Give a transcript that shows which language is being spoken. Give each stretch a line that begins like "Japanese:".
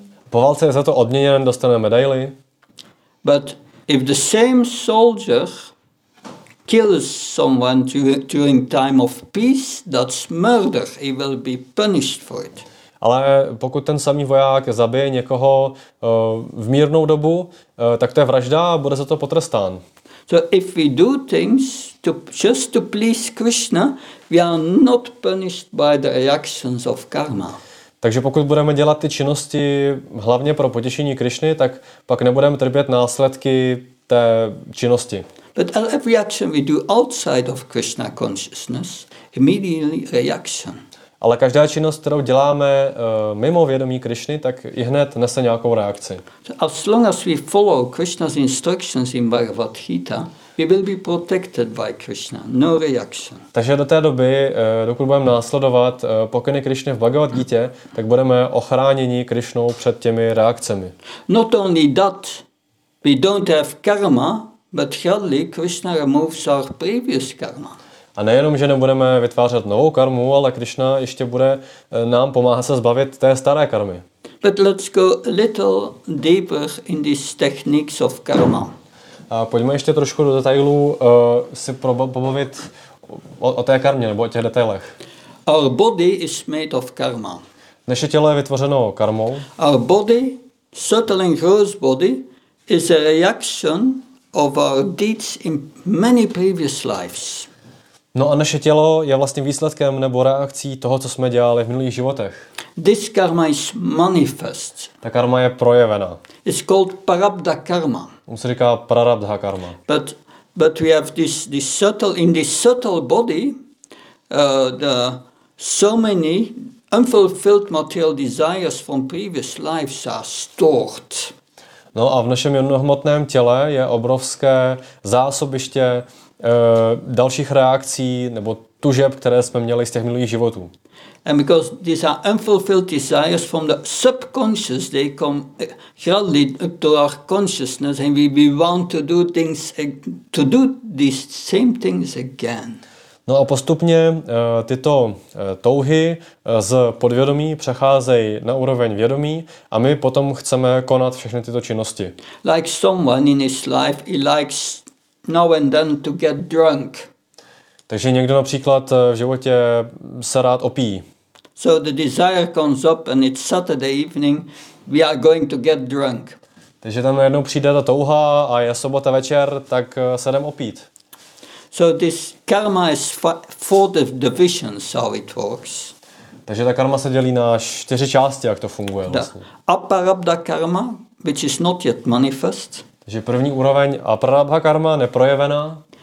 Czech: Po válce je za to odměněn, dostane medaili.
English: But if the same soldier kills someone during time of peace, that's murder. He will be punished for it.
Czech: Ale pokud ten samý voják zabije někoho v mírnou dobu, tak to je vražda a bude za to potrestán.
English: So if we do things just to please Krishna, we are not punished by the reactions of karma.
Czech: Takže pokud budeme dělat ty činnosti hlavně pro potěšení Krishny, tak pak nebudeme trpět následky té činnosti.
English: But every action we do outside of Krishna consciousness, immediately reaction.
Czech: Ale každá činnost, kterou děláme mimo vědomí Krišny, tak i hned nese nějakou reakci.
English: As long as we follow Krishna's instructions in Bhagavad Gita, we will be protected by Krishna. No reaction.
Czech: Takže do té doby, dokud budeme následovat pokyny Krišny v Bhagavad Gita, tak budeme ochráněni Krišnou před těmi reakcemi.
English: Not only that, we don't have karma, but hardly Krishna removes our previous karma.
Czech: A nejenom, že nebudeme vytvářet novou karmu, ale Krišna ještě bude nám pomáhat se zbavit té staré karmy.
English: But let's go a little deeper in these techniques of karma.
Czech: A pojďme ještě trošku do detailů si pobavit o té karmě nebo o těch detailech.
English: Our body is made of karma.
Czech: Naše tělo je vytvořeno karmou.
English: Our body, subtle and gross body, is a reaction of our deeds in many previous lives.
Czech: No a naše tělo je vlastně výsledkem nebo reakcí toho, co jsme dělali v minulých životech.
English: This karma is manifest.
Czech: Ta karma je projevena.
English: It's called prarabdha karma.
Czech: On se říká prarabdha karma.
English: But we have this subtle in this subtle body the so many unfulfilled material desires from previous lives are stored.
Czech: No a v našem jednohmotném těle je obrovské zásobiště dalších reakcí nebo tužeb, které jsme měli z těch minulých životů.
English: And because these are unfulfilled desires from the subconscious, they come gradually up to our consciousness and we want to do things, to do these same things again.
Czech: No a postupně tyto touhy z podvědomí přecházejí na úroveň vědomí a my potom chceme konat všechny tyto činnosti.
English: Like someone in his life, he likes now and then to get drunk.
Czech: Takže někdo například v životě se rád opíjí.
English: So the desire comes up and it's Saturday evening, we are going to get drunk.
Czech: Takže tam najednou přijde ta touha a je sobota večer, tak se jdem opít.
English: So this karma is four divisions how it works.
Czech: Takže ta karma se dělí na čtyři části, jak to funguje vlastně.
English: Aparabdha karma, which is not yet manifest.
Czech: Takže první úroveň aparabdha karma neprojevená.